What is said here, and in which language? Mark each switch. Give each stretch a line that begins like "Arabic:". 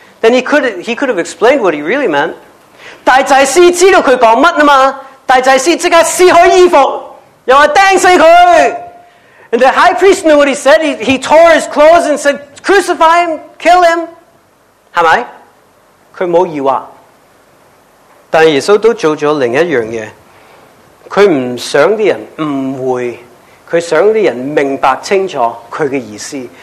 English: Then he could have explained what he really meant.
Cantonese: 大祭司知道佢讲乜啊嘛，大祭司即刻撕开衣服，又话钉死佢。
English: And the high priest knew what he said. He tore his clothes and said, crucify him, kill him.
Cantonese: 系咪？佢冇疑惑。但耶稣都做了另一样嘢，佢唔想啲人误会，佢想啲人明白清楚佢嘅意思。